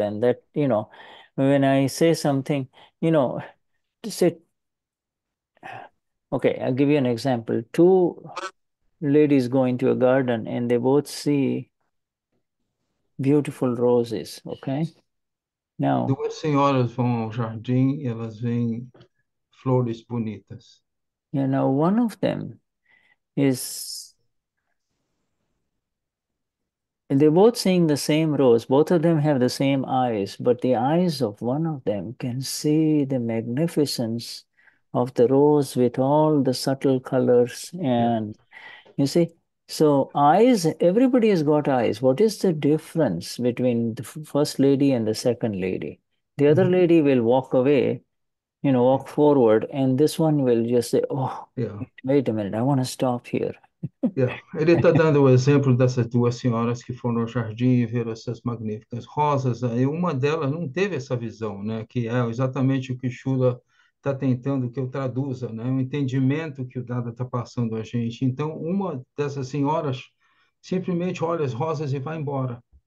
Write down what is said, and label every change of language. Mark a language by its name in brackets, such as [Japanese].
[English] And that, you know, when I say something, you know, to say, okay, I'll give you an example. Two ladies go into a garden and they both see beautiful roses, okay? Now, [Portuguese] duas senhoras vão ao jardim e elas veem flores bonitas. [English] You know, one of them is, and they're both seeing the same rose. Both of them have the same eyes, but the eyes of one of them can see the magnificence of the rose with all the subtle colors. And you see, so eyes, everybody has got eyes. What is the difference between the first lady and the second lady? The other lady will walk away, you know, walk forward, and this one will just say, oh, wait a minute, I want to stop here. [Portuguese] Ele está dando o exemplo dessas duas senhoras que foram ao jardim e viram essas magníficas rosas, né? E uma delas não teve essa visão, né? Que é exatamente o que Shula está tentando que eu traduza, né? O entendimento que o Dada está passando a gente. Então, uma dessas senhoras simplesmente olha as rosas e vai embora.